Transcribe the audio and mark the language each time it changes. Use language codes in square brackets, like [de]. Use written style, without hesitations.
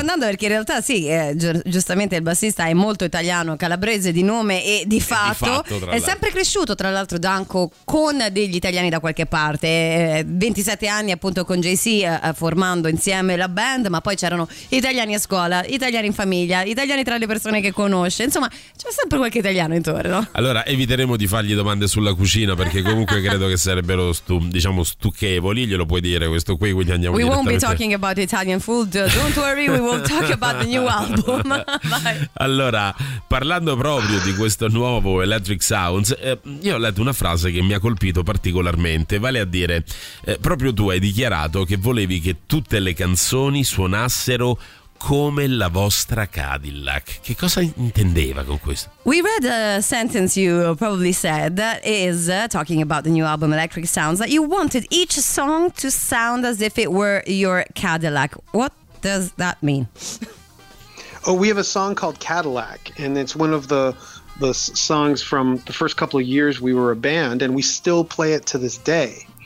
[it] perché in realtà sì, giustamente il bassista è molto italiano, calabrese di nome e di fatto, è sempre cresciuto tra l'altro Danko con degli italiani da qualche parte, 27 anni appunto con JC formando insieme la band, ma poi c'erano italiani a scuola, italiani in famiglia, italiani tra le persone che conosce, insomma c'è sempre qualche italiano intorno. Allora eviteremo di fargli domande sulla cucina perché comunque credo che sarebbero diciamo stucchevoli, glielo puoi dire questo. [en] We won't be talking about Italian food, don't worry, we will talk about the new album. [it] Allora, parlando proprio di questo nuovo Electric Sounds, io ho letto una frase che mi ha colpito particolarmente, vale a dire, proprio tu hai dichiarato che volevi che tutte le canzoni suonassero come la vostra Cadillac. Che cosa intendeva con questo? [en] We read a sentence you probably said that is talking about the new album Electric Sounds, that you wanted each song to sound as if it were your Cadillac. What does that mean? Oh, we have a song called Cadillac, and it's one of the songs from the first couple of years we were a band, and we still play it to this day.